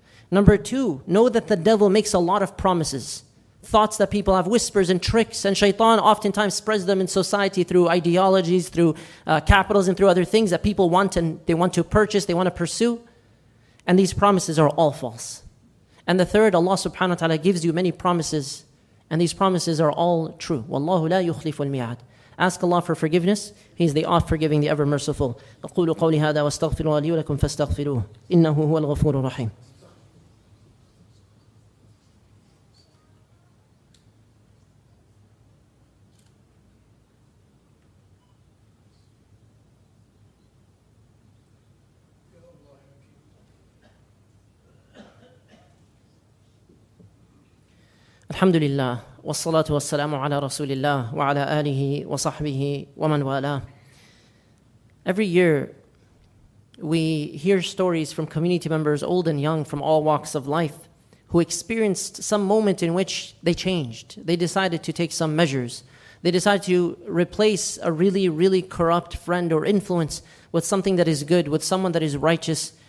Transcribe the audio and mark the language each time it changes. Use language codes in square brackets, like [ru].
[en] Number two, know that the devil makes a lot of promises. Thoughts that people have, whispers and tricks, and shaitan oftentimes spreads them in society through ideologies, through capitalism, through other things that people want and they want to purchase, they want to pursue. And these promises are all false. And the third, Allah subhanahu wa ta'ala gives you many promises, and these promises are all true. [ar] Wallahu la yukhlifu al-mi'ad. [en] Ask Allah for forgiveness. He is the all-forgiving, the ever-merciful. [ar] أقول قولي هذا واستغفروا لي ولكم فاستغفروه إنه هو الغفور الرحيم. الحمد لله والصلاة والسلام على رسول الله وعلى آله وصحبه ومن والاه. [en] Every year, we hear stories from community members, old and young, from all walks of life, who experienced some moment in which they changed. They decided to take some measures. They decided to replace a really, really corrupt friend or influence with something that is good, with someone that is righteous.